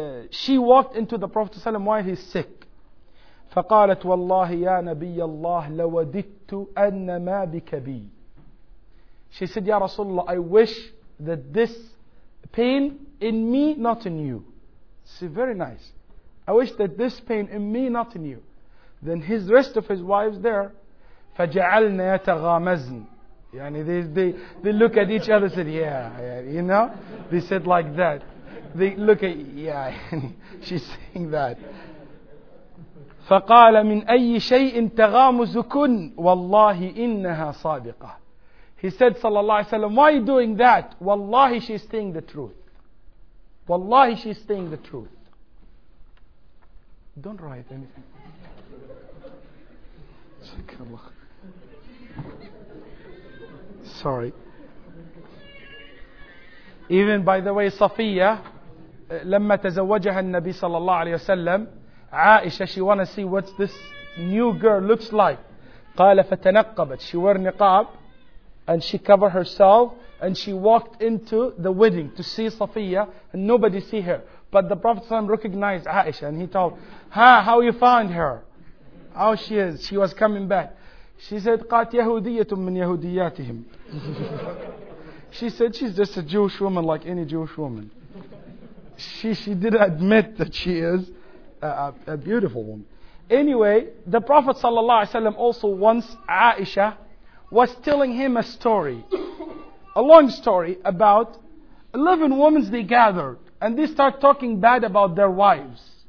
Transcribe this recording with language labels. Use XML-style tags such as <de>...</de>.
<en>She walked into the Prophet sallallahu alayhi wa sallam while he's sick.</en> <ar>فقالت والله يا نبي الله لوددت أن ما بك بي.</ar> <en>She said,</en> <ar>يا رسول الله,</ar> <en>I wish that this pain in me, not in you. She said, very nice. I wish that this pain in me, not in you. Then his rest of his wives there.</en> <ar>فجعلنا يتغامزن.</ar> <en>يعني they look at each other and said, yeah, you know. They said like that. They look at, yeah. She's saying that.</en> <ar>فقال من أي شيء تغامزكن والله إنها صادقة.</ar> <en>He said صلى الله عليه وسلم, why are you doing that? والله she's saying the truth. والله she's saying the truth. Don't write anything. Sorry. Even by the way,</en> <ar>صفية لما تزوجها النبي</ar> <en>صلى الله عليه وسلم, Aisha, she want to see what this new girl looks like.</en> <ar>قَالَ فَتَنَقَّبَتْ.</ar> <en>She wore niqab and she covered herself and she walked into the wedding to see Safiya and nobody see her. But the Prophet ﷺ recognized Aisha and he told, ha, how you find her? How she is? She was coming back. She said,</en> <ar>قَاتْ يَهُودِيَّةٌ مِّنْ يَهُودِيَّاتِهِمْ.</ar> <en>She said, she's just a Jewish woman like any Jewish woman. She did admit that she is a beautiful woman. Anyway, the Prophet sallallahu alaihi wasallam also once Aisha was telling him a story, a long story about 11 women they gathered and they start talking bad about their wives.</en>